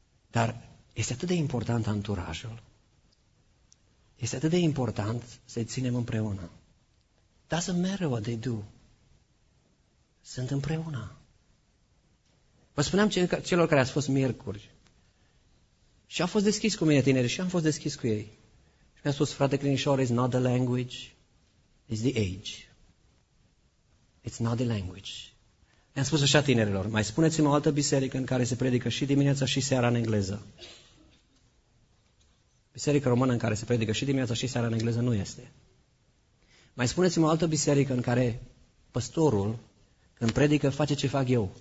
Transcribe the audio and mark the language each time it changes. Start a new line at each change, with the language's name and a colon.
Romanian: Dar este atât de important anturajul. Este atât de important să-i ținem împreună.
English: Doesn't matter what they do.
Romanian: Sunt împreună. Vă spuneam celor care ați fost miercuri și au fost deschis cu mine tineri și am fost deschis cu ei. Mi-a spus, frate Crinișor,
English: it's not the language, it's the age. It's not the language.
Romanian: Mi-am spus așa tinerilor, mai spuneți-mi o altă biserică în care se predică și dimineața și seara în engleză. Biserica română în care se predică și dimineața și seara în engleză nu este. Mai spuneți-mi o altă biserică în care păstorul, când predică, face ce fac eu.